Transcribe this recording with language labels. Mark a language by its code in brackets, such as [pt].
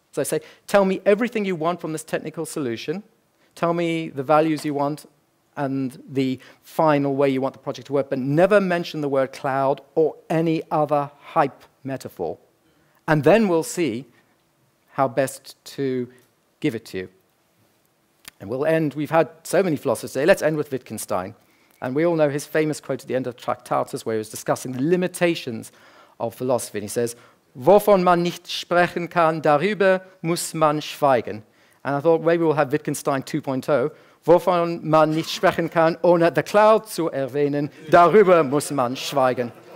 [en] So I say, tell me everything you want from this technical solution. Tell me the values you want and the final way you want the project to work, but never mention the word cloud or any other hype metaphor. And then we'll see how best to give it to you. And we'll end, we've had so many philosophers today, let's end with Wittgenstein. And we all know his famous quote at the end of Tractatus, where he was discussing the limitations of philosophy. And he says, [de] "Wovon man nicht sprechen kann, darüber muss man schweigen." [en] And I thought maybe we'll have Wittgenstein 2.0. [de] "Wovon man nicht sprechen kann, ohne [en] the cloud [de] zu erwähnen, darüber muss man schweigen."